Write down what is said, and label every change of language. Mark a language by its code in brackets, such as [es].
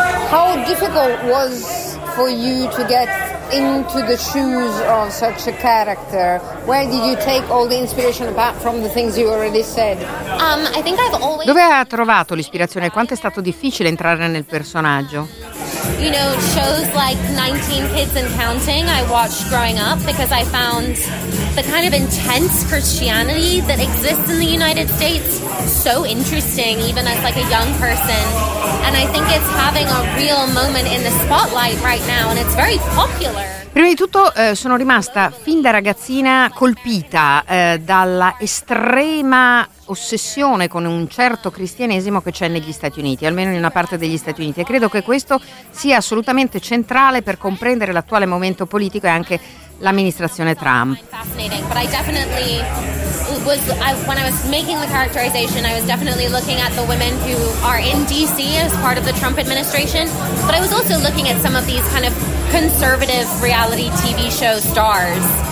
[en] How difficult was for you to get into the shoes of such a character? Where did you take all the inspiration apart from the things you already said? I think I've always. [it] Dove ha trovato l'ispirazione? Quanto è stato difficile entrare nel personaggio? [en] You know, shows like 19 Kids and Counting I watched growing up because I found the kind of intense Christianity that exists in the United States so interesting, even as like a young person. And I think it's having a real moment in the spotlight right now, and it's very popular. [it] Prima di tutto sono rimasta fin da ragazzina colpita dalla estrema ossessione con un certo cristianesimo che c'è negli Stati Uniti, almeno in una parte degli Stati Uniti, e credo che questo sia assolutamente centrale per comprendere l'attuale momento politico e anche l'amministrazione Trump. [en] When I was making the characterization, I was definitely looking at the women who are in DC as part of the Trump administration, but I was also looking at some of these kind of conservative reality TV show stars.